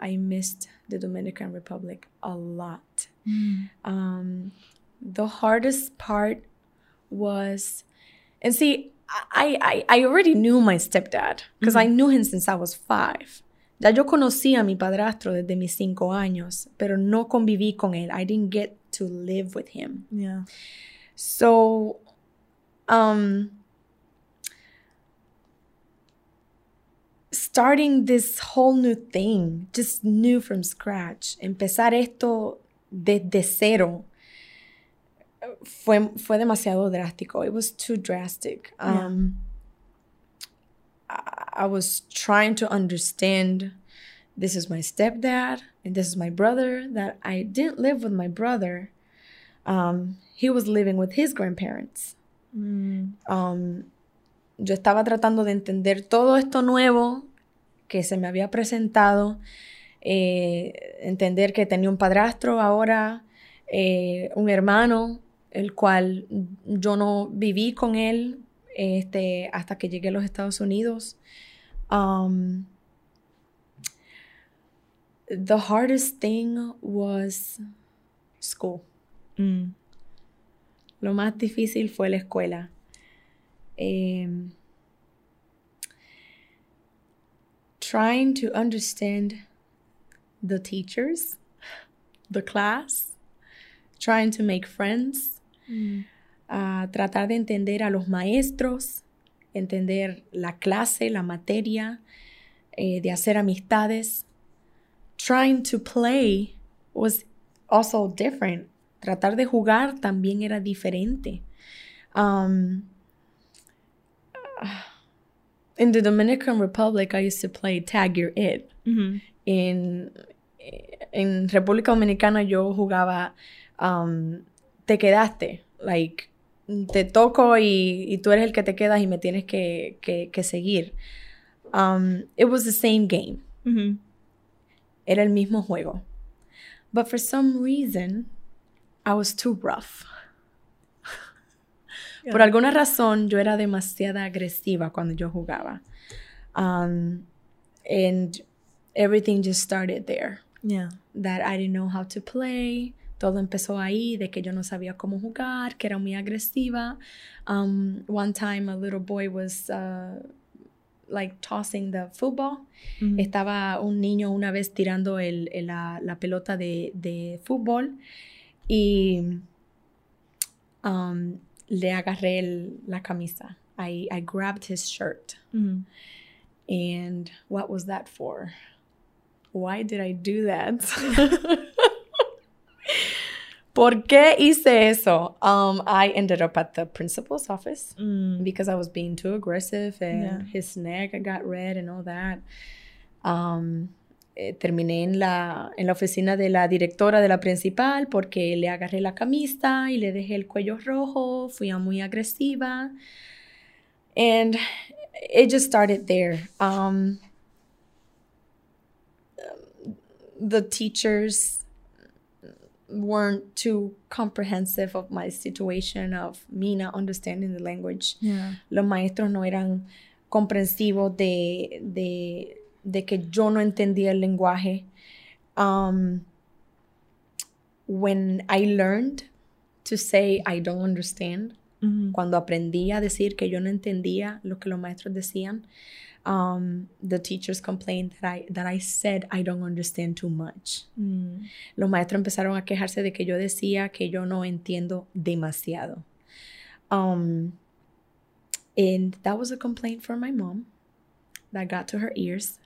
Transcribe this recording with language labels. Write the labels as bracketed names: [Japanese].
[English] I missed the Dominican Republic a lot. Mm. The hardest part was, and see, I already knew my stepdad because mm-hmm. I knew him since I was 5. [Spanish] Ya yo conocí a mi padrastro desde mis 5 años, pero no conviví con él. [English] I didn't get to live with him. Yeah. So, starting this whole new thing, just new from scratch, [Spanish] empezar esto desde cero, fue demasiado drástico. [English] It was too drastic. I was trying to understand, this is my stepdad and this is my brother, that I didn't live with my brother. He was living with his grandparents. Mm. [Spanish] Yo estaba tratando de entender todo esto nuevo que se me había presentado, entender que tenía un padrastro ahora, un hermano, el cual yo no viví con él hasta que llegué a los Estados Unidos. [English] The hardest thing was school. Mm. [Spanish] Lo más difícil fue la escuela. [English] Trying to understand the teachers, the class, trying to make friends, [Spanish] tratar de entender a los maestros, entender la clase, la materia, de hacer amistades. [English] Trying to play was also different. [Spanish] Tratar de jugar también era diferente. [English] In the Dominican Republic, I used to play tag, you're it. Mm-hmm. [Spanish] In República Dominicana, yo jugaba te quedaste. Like, te toco y tú eres el que te quedas y me tienes que seguir. [English] It was the same game. Mm-hmm. [Spanish] Era el mismo juego. [English] But for some reason, I was too rough. Yeah. [Spanish] Por alguna razón, yo era demasiado agresiva cuando yo jugaba. [English] And everything just started there. Yeah. That I didn't know how to play. [Spanish] Todo empezó ahí, de que yo no sabía cómo jugar, que era muy agresiva. [English] One time, a little boy was tossing the football. Mm-hmm. [Spanish] Estaba un niño una vez tirando la pelota de fútbol. Y le agarré la camisa. [English] I grabbed his shirt. Mm-hmm. And what was that for? Why did I do that? [Spanish] ¿Por qué hice eso? [English] I ended up at the principal's office because I was being too aggressive and his neck got red and all that. [Spanish] Terminé en la oficina de la directora de la principal porque le agarré la camisa y le dejé el cuello rojo. Fui muy agresiva. [English] And it just started there. The teachers weren't too comprehensive of my situation of me not understanding the language. Yeah. [Spanish] Los maestros no eran comprensivos de que yo no entendía el lenguaje. [English] when I learned to say I don't understand, mm-hmm. [Spanish] cuando aprendí a decir que yo no entendía lo que los maestros decían, [English] the teachers complained that I said I don't understand too much. [Spanish] Mm. Los maestros empezaron a quejarse de que yo decía que yo no entiendo demasiado. [English] And that was a complaint from my mom that got to her ears.